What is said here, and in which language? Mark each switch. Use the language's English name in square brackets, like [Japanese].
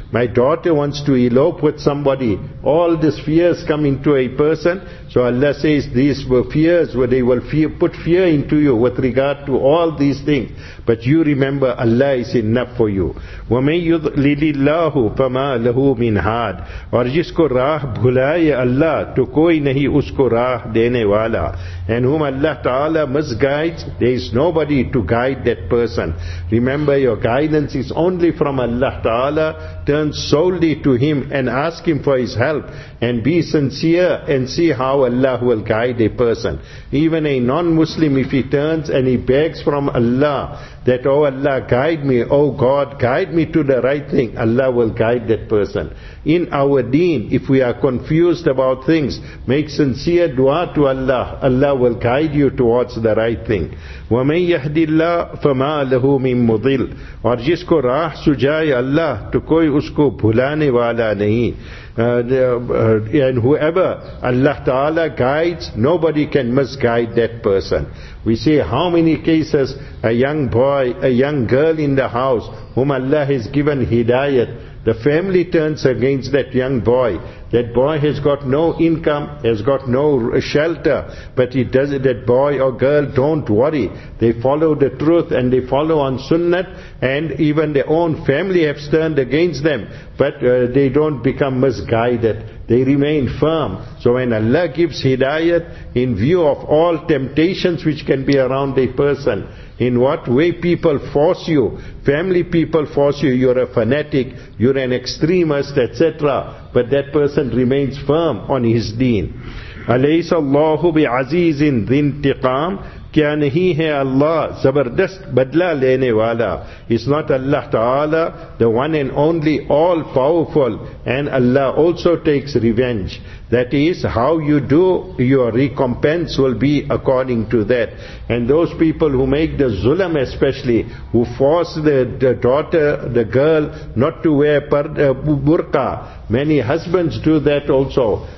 [English] My daughter wants to elope with somebody. All these fears come into a person. So Allah says, these were fears, where they will put fear into you with regard to all these things. But you remember, Allah is enough for you. [Arabic] وَمَن يُضْلِلِ اللَّهُ فَمَا لَهُ مِنْ هَادٍ. [Urdu] اور جس کو راہ بھلائے اللہ تو کوئی نہیں اس کو راہ دینے والا. [English] And whom Allah Ta'ala misguides, there is nobody to guide that person. Remember, your guidance is only from Allah Ta'ala. Turn solely to Him and ask Him for His help. And be sincere and see how Allah will guide a person. Even a non-Muslim, if he turns and he begs from Allah, that, oh Allah, guide me, oh God, guide me to the right thing, Allah will guide that person. In our deen, if we are confused about things, make sincere dua to Allah. Allah will guide you towards the right thing. [Arabic] وَمَنْ يَهْدِ اللَّهِ فَمَا لَهُ مِنْ مُضِلٍ. [Urdu] اور جس کو راہ سجائے اللہ تو کوئی اس کو بھلانے والا نہیں. [English] And whoever Allah Ta'ala guides, nobody can misguide that person. We see how many cases, a young boy, a young girl in the house, whom Allah has given hidayat, the family turns against that young boy. That boy has got no income, has got no shelter, but he does it. That boy or girl, don't worry. They follow the truth and they follow on sunnat, and even their own family have turned against them, but they don't become misguided. They remain firm. So when Allah gives hidayat in view of all temptations which can be around a person, in what way people force you, family people force you, you're a fanatic, you're an extremist, etc. But that person remains firm on his deen. [Arabic] أَلَيْسَ اللَّهُ بِعَزِيزٍ ذِنْتِقَامٍ [Urdu] کیا نہیں ہے اللہ زبردست بدلہ لینے والا. [English] Is not Allah Ta'ala the one and only all powerful, and Allah also takes revenge. That is, how you do, your recompense will be according to that. And those people who make the zulam, especially who force the daughter, the girl, not to wear burqa, many husbands do that also.